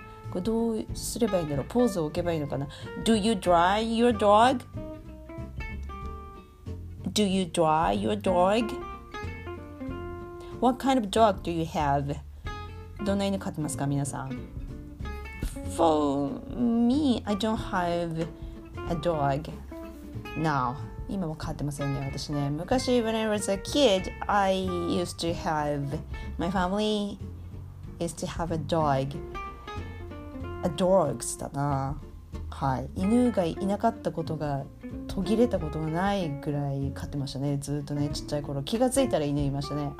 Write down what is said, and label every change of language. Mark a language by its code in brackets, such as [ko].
[ja] これどうすればいいんだろう、ポーズを置けばいいのかな。 [en] Do you dry your dog? Do you dry your dog? What kind of dog do you have? [ja] どんな犬飼ってますか皆さん。 [en] For me, I don't have a dog now. [ja] 今も飼ってませんね私ね。昔 [en] when I was a kid, I used to have, my family used to have a dog. A dogs [ja] だな、はい、犬がいなかったことが、途切れたことがないぐらい飼ってましたね、ずっとね、ちっちゃい頃。気がついたら犬いましたね。